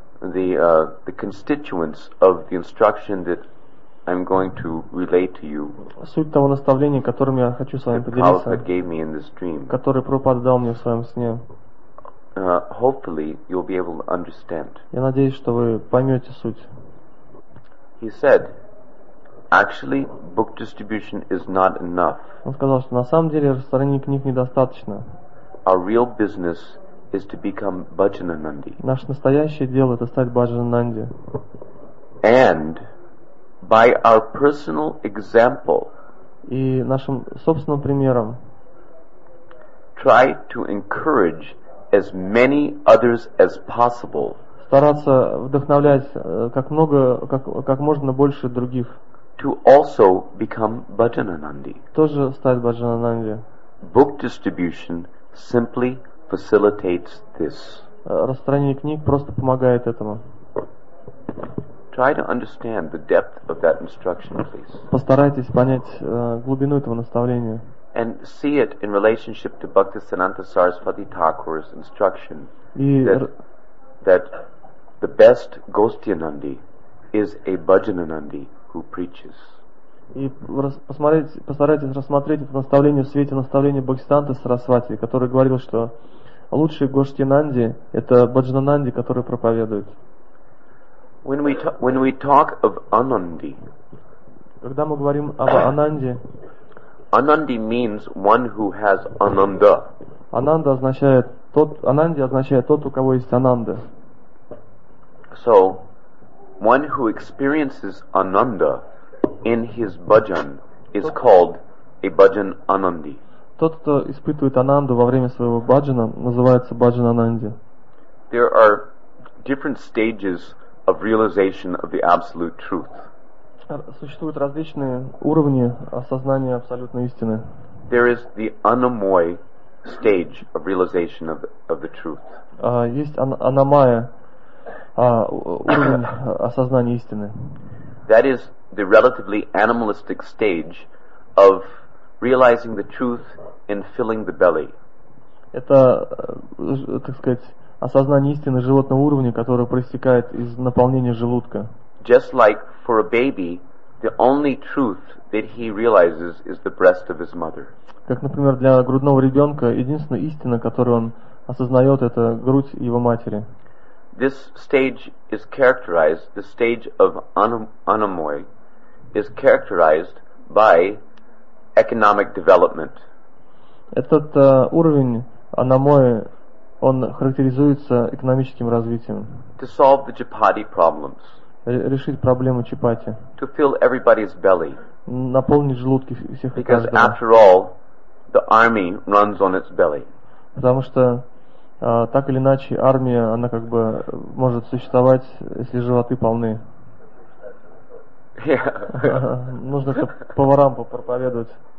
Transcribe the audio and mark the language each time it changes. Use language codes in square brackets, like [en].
[en] The constituents of the instruction that I'm going to relate to you. [ru] Суть того наставления, которым я хочу с вами поделиться, которое Прабхупада дал мне в своем сне. [en] Hopefully you'll be able to understand. [ru] Я надеюсь, что вы поймете суть. [en] He said, actually, book distribution is not enough. [ru] Он сказал, что на самом деле распространение книг недостаточно. [en] Our real business is to become Bhajananandi. [ru] Наше настоящее дело — это стать Бхаджананди. [en] And by our personal example, [ru] и нашим собственным примером, [en] try to encourage as many others as possible. [ru] Стараться вдохновлять как можно больше других. [en] To also become Bhajananandi. [ru] Тоже стать Бхаджананди. [en] Book distribution simply facilitates this. [ru] Распространение книг просто помогает этому. [en] Try to understand the depth of that instruction, please. [ru] Постарайтесь понять глубину этого наставления. [en] And see it in relationship to Bhaktisiddhanta Saraswati Thakur's instruction that the best Gostyanandi is a Bhajananandi who preaches. [ru] И постарайтесь рассмотреть это наставление в свете наставления Бхактисиддханты Сарасвати, который говорил, что лучший Гоштинанди — это Бхаджананди, который проповедует. [en] When we talk of Ананди, [ru] когда мы говорим об Ананди, [en] Ананди means one who has Ананда. [ru] Ананди означает тот, у кого есть Ананда. [en] So, one who experiences Ананда in his bhajan is called a bhajan Anandi. [ru] Тот, кто испытывает ананду во время своего бхаджана, называется бхаджан ананди. [en] There are different stages of realization of the absolute truth. [ru] Существуют различные уровни осознания абсолютной истины. [en] There is the anamoy stage of realization of the truth. [ru] Есть анамая, уровень осознания истины. [en] That is the relatively animalistic stage of realizing the truth and filling the belly. [ru] Это, так сказать, осознание истины животного уровня, которое проистекает из наполнения желудка. [en] Just like for a baby, the only truth that he realizes is the breast of his mother. [ru] Как, например, для грудного ребенка единственная истина, которую он осознает, это грудь его матери. [en] This stage is characterized, the stage of anamoy, is characterized by economic development. [ru] Этот уровень анамоя, он характеризуется экономическим развитием. [en] To solve the chapati problems. [ru] Решить проблему чапати. [en] To fill everybody's belly. [ru] Наполнить желудки всех и каждого. [en] Because after all, the army runs on its belly. [ru] Потому что так или иначе армия, она как бы может существовать, если животы полны. [en] Yeah. [ru] Нужно это поварам попроповедовать.